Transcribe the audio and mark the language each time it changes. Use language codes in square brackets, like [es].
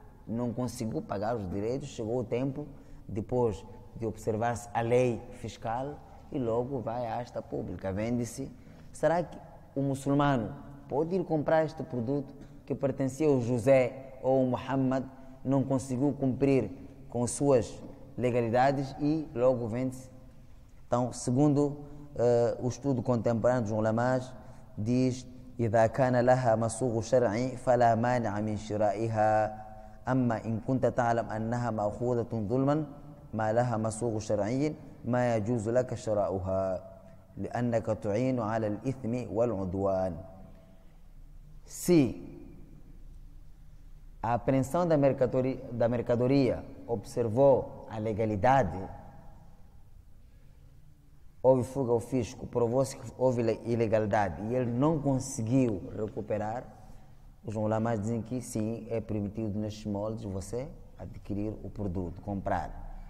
[pt] Não conseguiu pagar os direitos, chegou o tempo depois de observar-se a lei fiscal e logo vai à hasta pública, vende-se. Será que o muçulmano pode ir comprar este produto que pertencia ao José ou ao Muhammad, não conseguiu cumprir com suas legalidades e logo vende-se? Então, segundo o estudo contemporâneo dos ulamás, diz: [ar] إذا كان لها مسوغ شرعي فلا مانع من شرائها، أما إن كنت تعلم أنها مأخوذة ظلما ما لها مسوغ شرعي ما يجوز لك شراؤها لأنك تعين على الإثم والعدوان. [pt] Se a apreensão da mercadoria observou a legalidade, houve fuga ao fisco, provou-se que houve ilegalidade e ele não conseguiu recuperar, os ulamás dizem que sim, é permitido nestes moldes você adquirir o produto, comprar.